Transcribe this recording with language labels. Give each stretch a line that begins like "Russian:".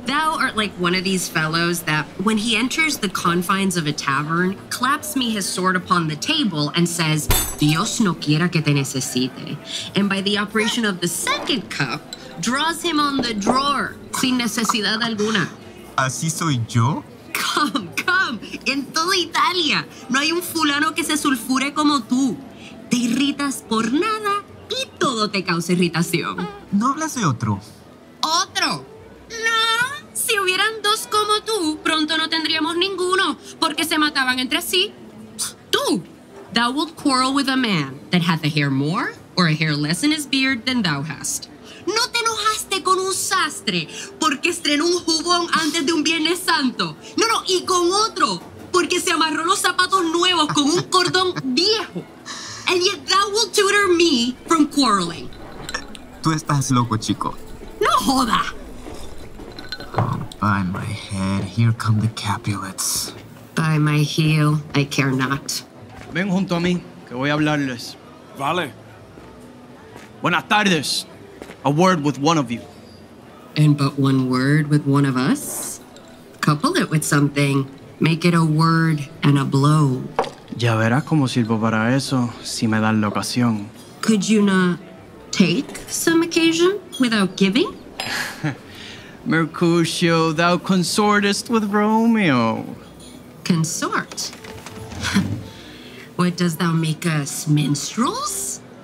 English: Thou art like one of these fellows that, when he enters the confines of a tavern, claps me his sword upon the table and says,
Spanish: Dios no quiera que te necesite.
English: And by the operation of the second cup, draws him on the drawer,
Spanish: sin necesidad alguna. ¿Así soy yo?
English: Come, come,
Spanish: en toda Italia, no hay un fulano que se sulfure como tú. Te irritas por nada y todo te causa irritación. ¿No hablas de otro? ¿Otro? No, si hubieran dos como tú, pronto no tendríamos ninguno, porque se mataban entre sí.
English: Tú, thou wilt quarrel with a man that hath a hair more or a hair less in his beard than thou hast.
Spanish: ¿No te enojaste con un sastre porque estrenó un jubón antes de un Viernes Santo? No, no, y con otro porque se amarró los zapatos nuevos con un cordón viejo.
English: And yet thou wilt tutor me from quarreling.
Spanish: Tú estás loco, chico. No joda.
English: By my head, here come the Capulets. By my heel, I care not.
Spanish: Ven junto a mí, que voy a hablarles. Vale. Buenas tardes.
English: A word with one of you. And but one word with one of us? Couple it with something. Make it a word and a blow.
Spanish: Ya verás cómo sirvo para eso si me das la ocasión.
English: Could you not take some occasion without giving? Mercutio, thou consortest with Romeo. Consort? What, dost thou make us minstrels?